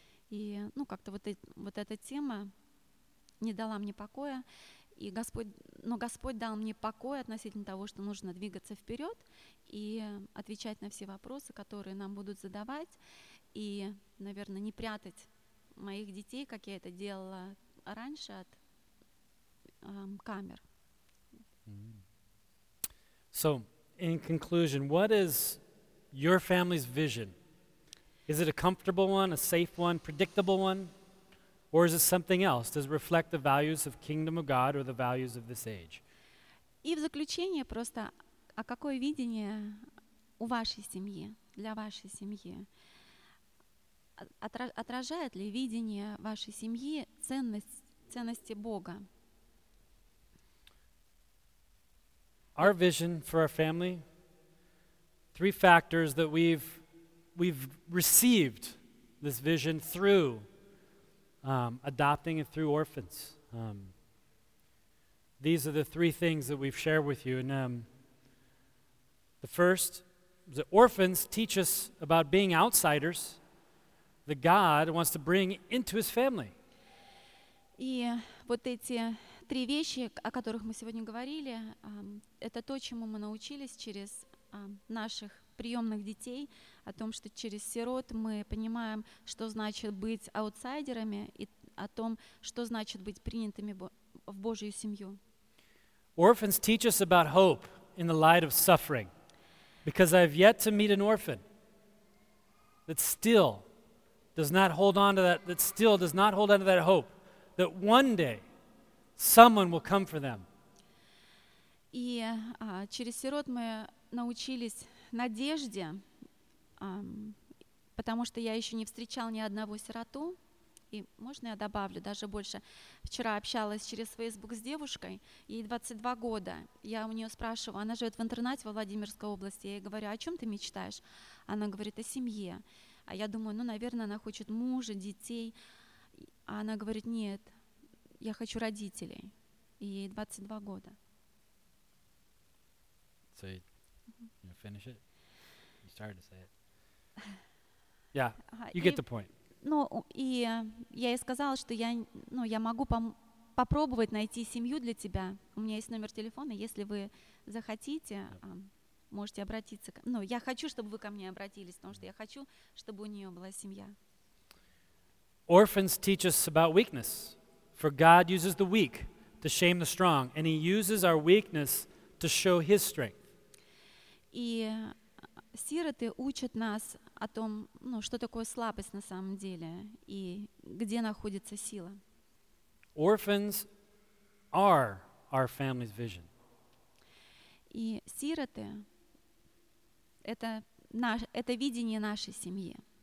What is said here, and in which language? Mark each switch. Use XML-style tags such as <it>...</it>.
<ru>И, ну, как-то вот эта тема не дала мне покоя, и Господь, но Господь дал мне покой относительно того, что нужно двигаться вперед и отвечать на все вопросы, которые нам будут задавать, и, наверное, не прятать моих детей, как я это делала раньше, от камер.</ru> <en>So, in conclusion, what is your family's vision? Is it a comfortable one, a safe one, predictable one? Or is it something else? Does it reflect the values of kingdom of God or the values of this age?</en> <ru>И в заключение просто, а какое видение у вашей семьи, для вашей семьи? Отражает ли видение вашей семьи ценности Бога?</ru> <en>Our vision for our family, three factors that we've received this vision through adopting it through orphans. These are the three things that we've shared with you. And the first, the orphans teach us about being outsiders that God wants to bring into his family.</en> <ru>И вот эти три вещи, о которых мы сегодня говорили, это то, чему мы научились через наших приемных детей, о том, что через сирот мы понимаем, что значит быть аутсайдерами и о том, что значит быть принятыми в Божью семью.</ru> <en>Orphans teach us about hope in the light of suffering, because I've yet to meet an orphan that still does not hold on to that hope that one day someone will come for them.</en> <ru>И через сирот мы научились надежде, потому что я еще не встречал ни одного сироту. И можно я добавлю даже больше? Вчера общалась через Facebook с девушкой, ей 22 года. Я у нее спрашиваю, она живет в интернате во Владимирской области. Я ей говорю, о чем ты мечтаешь? Она говорит, о семье. А я думаю, ну, наверное, она хочет мужа, детей. А она говорит, нет, я хочу родителей. И ей 22 года.</ru> <en>So you finish it? You started to say it. Yeah, you get the point.</en> <ru>Ну, и я ей сказала, что я, ну, я могу попробовать найти семью для тебя. У меня есть номер телефона. Если вы захотите, можете обратиться. Ну, я хочу, чтобы вы ко мне обратились, потому что я хочу, чтобы у нее была семья.</ru> <en>Orphans teach us about weakness. For God uses the weak to shame the strong, and he uses our weakness to show his strength.</en> <ru>И сироты учат нас о том, ну, что такое слабость на самом деле и где находится сила.</ru> <en>Orphans are our family's vision.</en> <ru>И сироты — это наш, это видение нашей семьи.</ru>